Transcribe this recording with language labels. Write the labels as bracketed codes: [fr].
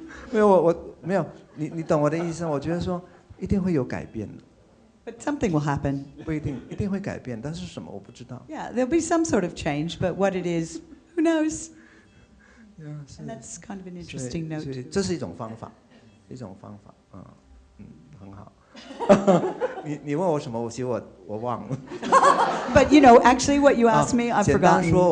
[zh] 对，没有，你懂我的意思。我觉得说一定会有改变的。 [en] But something will happen. [zh] 不一定，一定会改变，但是什么我不知道。 [en] Yeah, there'll be some sort of change, but what it is, who knows? Yeah, and that's kind of an interesting note. [zh] 这是一种方法，一种方法，很好。你问我什么？其实我忘了。 [en] But you know, actually, what you asked me, I've forgotten.